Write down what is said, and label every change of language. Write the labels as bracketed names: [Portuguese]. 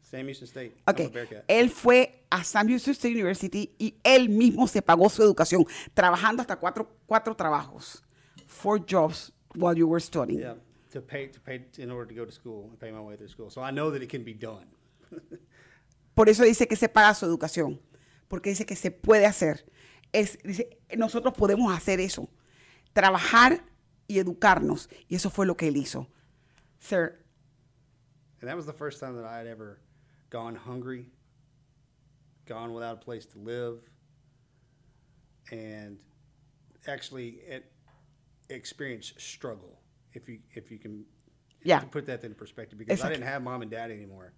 [English] Sam Houston State. Okay. I'm a Bearcat. [Spanish] Él fue a Sam Houston State University y él mismo se pagó su educación, trabajando hasta cuatro trabajos, [English] 4 jobs while you were studying. Yeah, to pay in order to go to school and pay my way through school. So I know that it can be done. [Spanish] Por eso dice que se paga su educación, porque dice que se puede hacer. Dice, nosotros podemos hacer eso, trabajar y educarnos. Y eso fue lo que él hizo. Sir. [English] And that was the first time that I had ever gone hungry, gone without a place to live, and actually experienced struggle, if you can put that in perspective, because I didn't have mom and dad anymore.